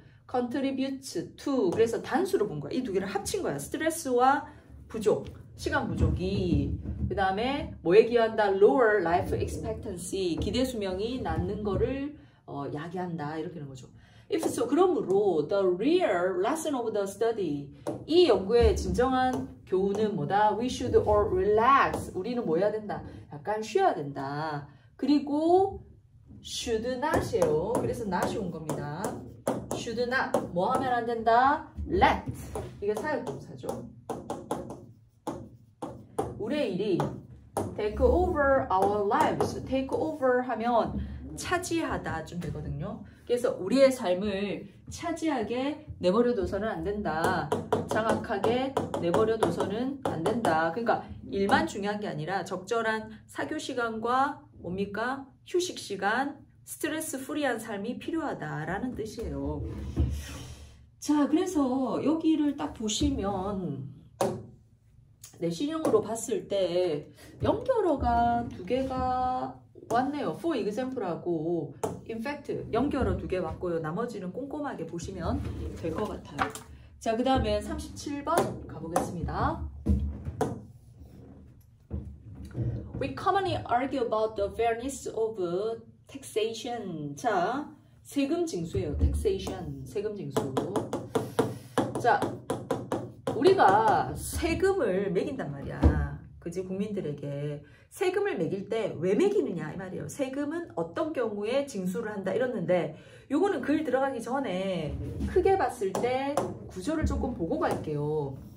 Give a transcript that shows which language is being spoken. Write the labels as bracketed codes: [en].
[en] contribute to [ko] 그래서 단수로 본 거야. 이두 개를 합친 거야. 스트레스와 부족, 시간 부족이 그다음에 뭐에 기여한다? [en] lower life expectancy [ko] 기대 수명이 낮는 거를 야기한다. 이렇게 되는 거죠. [en] If so, [ko] 그러므로 [en] the real lesson of the study, [ko] 이 연구의 진정한 교훈은 뭐다? [en] We should all relax. [ko] 우리는 뭐 해야 된다? 약간 쉬어야 된다. 그리고 should not이에요. 그래서 not이 온 겁니다. should not. 뭐 하면 안 된다? let. 이게 사역동사죠. 우리의 일이 [en] take over our lives. [ko] take over 하면 차지하다 좀 되거든요. 그래서 우리의 삶을 차지하게 내버려 둬서는 안 된다. 장악하게 내버려 둬서는 안 된다. 그러니까 일만 중요한 게 아니라 적절한 사교 시간과 뭡니까? 휴식 시간, 스트레스 프리한 삶이 필요하다라는 뜻이에요. 자, 그래서 여기를 딱 보시면 내신형으로 봤을 때 연결어가 두 개가 왔네요. For example하고 in fact 연결어 두개 왔고요. 나머지는 꼼꼼하게 보시면 될것 같아요. 자, 그 다음에 37번 가보겠습니다. [en] We commonly argue about the fairness of taxation. [ko] 자, 세금 징수예요. taxation, 세금 징수. 자, 우리가 세금을 매긴단 말이야. 그지? 국민들에게 세금을 매길 때왜 매기느냐 이 말이에요. 세금은 어떤 경우에 징수를 한다 이랬는데 요거는 글 들어가기 전에 크게 봤을 때 구조를 조금 보고 갈게요.